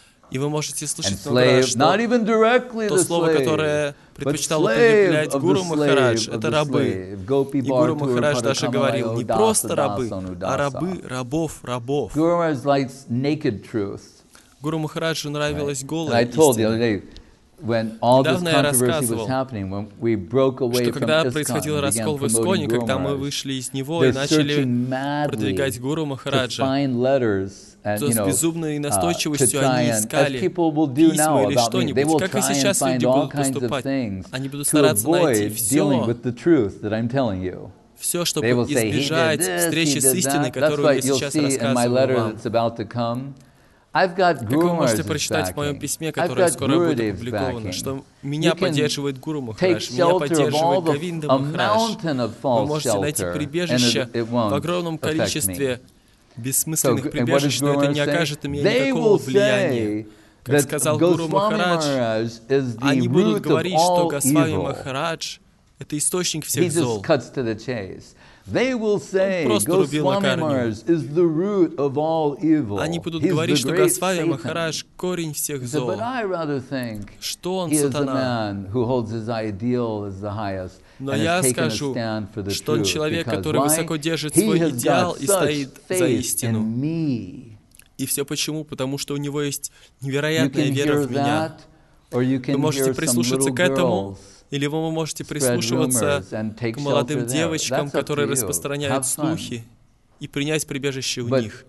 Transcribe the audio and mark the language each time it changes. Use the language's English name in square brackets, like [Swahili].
[Russian] И вы можете слышать Махарадж, то слово, которое предпочитал употреблять Гуру Махарадж, это рабы. И Гуру Махарадж даже говорил, не просто рабы, а рабы рабов рабов. Гуру Махараджу нравилась голая истина. [English] When all [Russian] недавно [English] this controversy was happening, when we broke away from ISKCON, [Russian] когда происходил раскол в ИСКОНе, когда мы вышли из него и начали продвигать Гуру Махараджа, то с безумной настойчивостью они искали письма или что-нибудь. Как и сейчас люди будут поступать, они будут стараться найти все, чтобы избежать встречи с истиной, которую я сейчас рассказываю вам. [English] I've got [Russian] Guru как вы можете прочитать в моем письме, которое скоро будет опубликовано, что меня поддерживает Гуру Махарадж, меня поддерживает Говинда Махарадж. Вы можете найти прибежище в огромном количестве бессмысленных прибежищ, но это не окажет на меня никакого влияния. Как сказал Гуру Махарадж, они будут говорить, что Госвами Махарадж — это источник всех зол. [English] They will say, Госвами Махарадж is the root of all evil. [Russian] Они будут говорить, что Госвами Махарадж корень всех зол. [English] But I rather think [Russian] что он сатана. [English] He is a man who holds his ideal as the highest. [Russian] Но я скажу, что он человек, который высоко держит свой идеал и стоит за истину. И все почему? Потому что у него есть невероятная вера в меня. Вы можете прислушаться к этому. Или вы можете прислушиваться к молодым девочкам, которые распространяют слухи, и принять прибежище у них.